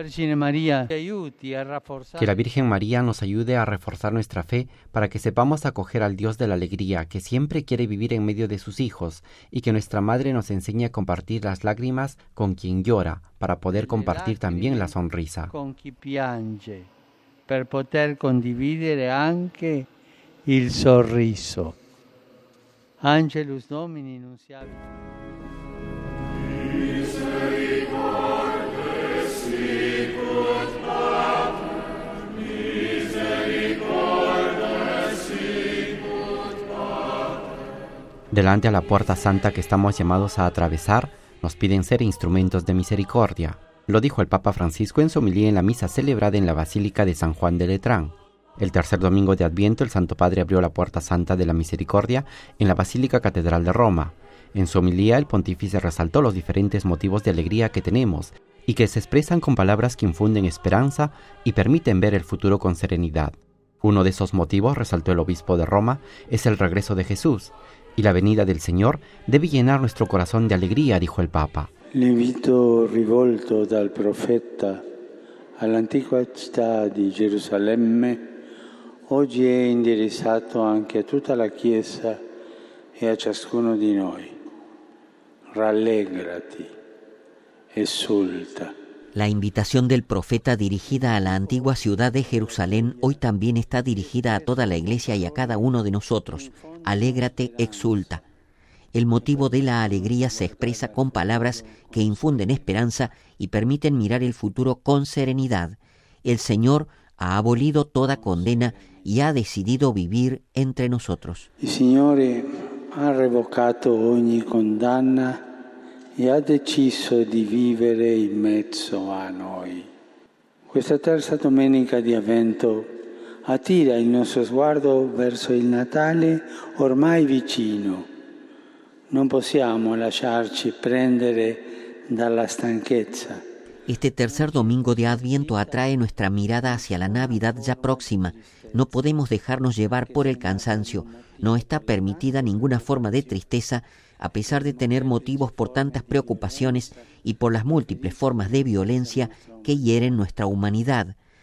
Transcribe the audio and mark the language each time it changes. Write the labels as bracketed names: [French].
[Spanish] Que la Virgen María nos ayude a reforzar nuestra fe para que sepamos acoger al Dios de la alegría que siempre quiere vivir en medio de sus hijos, y que nuestra Madre nos enseñe a compartir las lágrimas con quien llora para poder compartir también la sonrisa. [Italian] Con chi piange per poter condividere anche il sorriso. [Latin] Angelus Domini nunciavi. [Spanish] Delante a la puerta santa que estamos llamados a atravesar, nos piden ser instrumentos de misericordia. Lo dijo el Papa Francisco en su homilía en la misa celebrada en la Basílica de San Juan de Letrán. El tercer domingo de Adviento, el Santo Padre abrió la puerta santa de la misericordia en la Basílica Catedral de Roma. En su homilía, el pontífice resaltó los diferentes motivos de alegría que tenemos y que se expresan con palabras que infunden esperanza y permiten ver el futuro con serenidad. Uno de esos motivos, resaltó el obispo de Roma, es el regreso de Jesús. Y la venida del Señor debe llenar nuestro corazón de alegría, dijo el Papa. [Italian] L'invito rivolto dal profeta all'antica città di Gerusalemme oggi è indirizzato anche a tutta la Chiesa e a ciascuno di noi. Rallegrati, esulta. [Spanish] La invitación del profeta dirigida a la antigua ciudad de Jerusalén hoy también está dirigida a toda la iglesia y a cada uno de nosotros. Alégrate, exulta. el motivo de la alegría se expresa con palabras que infunden esperanza y permiten mirar el futuro con serenidad. El Señor ha abolido toda condena y ha decidido vivir entre nosotros. El Señor ha revocado [Italian] ogni condanna e ha deciso di vivere in mezzo a noi. Questa terza domenica di avvento attira il nostro sguardo verso il Natale ormai vicino. Non possiamo lasciarci prendere dalla stanchezza. [Spanish] Este tercer domingo de Adviento atrae nuestra mirada hacia la Navidad ya próxima. No podemos dejarnos llevar por el cansancio. No está permitida ninguna forma de tristeza, a pesar de tener motivos por tantas preocupaciones y por las múltiples formas de violencia que hieren nuestra humanidad.